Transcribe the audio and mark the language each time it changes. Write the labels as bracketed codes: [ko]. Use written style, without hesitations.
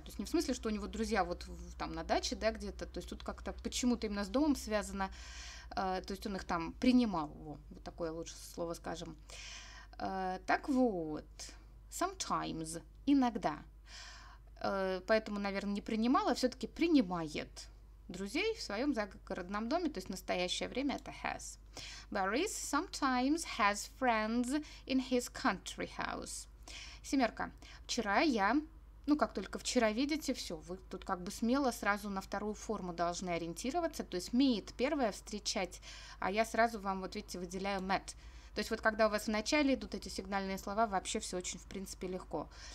[ru] То есть не в смысле, что у него друзья вот там на даче, да, где-то. То есть тут как-то почему-то именно с домом связано. То есть он их там принимал. Вот такое лучше слово скажем. Так вот, sometimes, иногда. Поэтому, наверное, не принимала, а все-таки принимает друзей в своем загородном доме, то есть в настоящее время это has. [en] Борис sometimes has friends in his country house. [ru] Семерка, вчера я, ну как только вчера, видите, все, вы тут как бы смело сразу на вторую форму должны ориентироваться, то есть meet, первое, встречать, а я сразу вам, вот видите, выделяю met. То есть вот когда у вас в начале идут эти сигнальные слова, вообще все очень, в принципе, легко.